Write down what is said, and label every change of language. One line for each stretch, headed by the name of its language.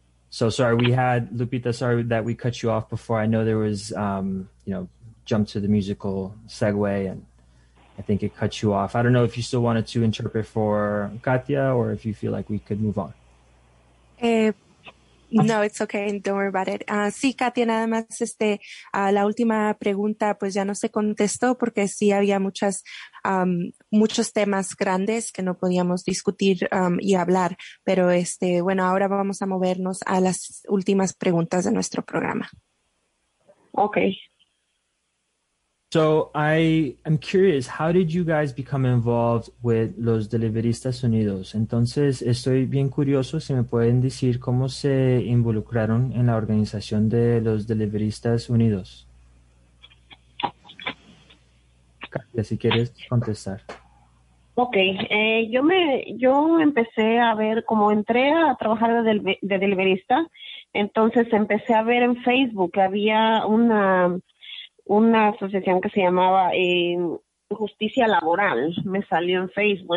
English: So sorry, we had Lupita, sorry that we cut you off before. I know there was, jump to the musical segue and I think it cut you off. I don't know if you still wanted to interpret for Katia or if you feel like we could move on. No, it's okay. Don't worry about it.
Spanish: Sí, Katia, nada más la última pregunta pues ya no se contestó porque sí había muchas muchos temas grandes que no podíamos discutir y hablar. Pero bueno, ahora vamos a movernos a las últimas preguntas de nuestro programa.
English: Okay. So I'm curious, how did you guys become involved with Los Deliveristas Unidos?
Spanish: Entonces, estoy bien curioso si me pueden decir cómo se involucraron en la organización de Los Deliveristas Unidos. Katia, si quieres contestar. Okay, yo empecé a ver, como entré a trabajar de deliverista, entonces empecé a ver en Facebook, había una asociación que se llamaba Justicia Laboral, me salió en Facebook.